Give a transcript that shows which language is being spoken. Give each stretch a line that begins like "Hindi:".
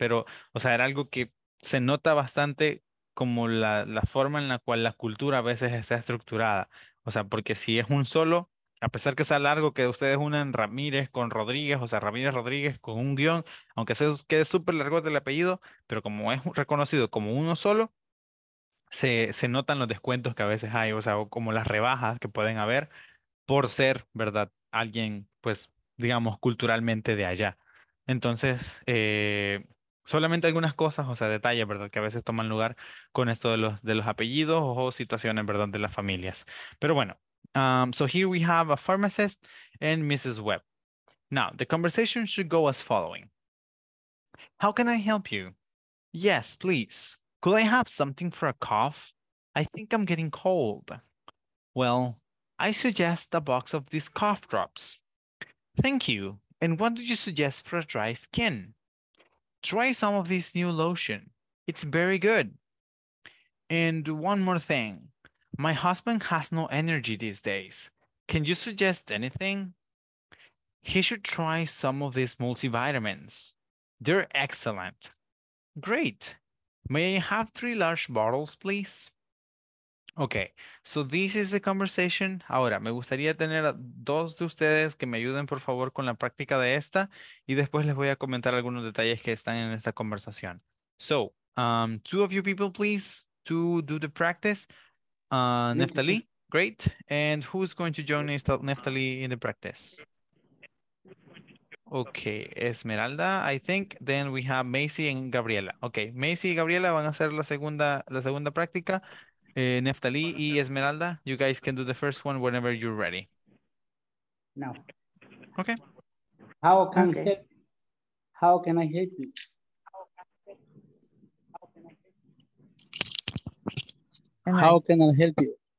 Spanish: Pero, o sea, era algo que se nota bastante como la forma en la cual la cultura a veces está estructurada, o sea, porque si es un solo, a pesar que sea largo, que ustedes unan Ramírez con Rodríguez, o sea, Ramírez Rodríguez con un guión, aunque se quede súper largo el apellido, pero como es reconocido como uno solo, se notan los descuentos que a veces hay, o sea, o como las rebajas que pueden haber por ser, ¿verdad?, alguien, pues, digamos, culturalmente de allá. Entonces, solamente algunas cosas, o sea, detalles, ¿verdad?, que a veces toman lugar con esto de los apellidos o situaciones, ¿verdad?, de las familias. Pero bueno.
English: So here we have a pharmacist and Mrs. Webb. Now, the conversation should go as following. How can I help you? Yes, please. Could I have something for a cough? I think I'm getting cold. Well, I suggest a box of these cough drops. Thank you. And what do you suggest for a dry skin? Try some of this new lotion. It's very good. And one more thing. My husband has no energy these days. Can you suggest anything? He should try some of these multivitamins. They're excellent. Great. May I have 3 large bottles, please? Okay, so this is the conversation.
Spanish: Ahora, me gustaría tener a 2 de ustedes que me ayuden, por favor, con la práctica de esta. Y después les voy a comentar algunos detalles que están en esta conversación.
English: So, 2 of you people, please, to do the practice. Neftali, great. And who's going to join Neftali in the practice? Okay, Esmeralda, I think. Then we have Macy and Gabriela.
Spanish: Okay, Macy y Gabriela van a hacer la segunda práctica.
English: Neftali y Esmeralda, you guys can do the first one whenever you're ready. Now. Okay. How can I help you? How can I help you?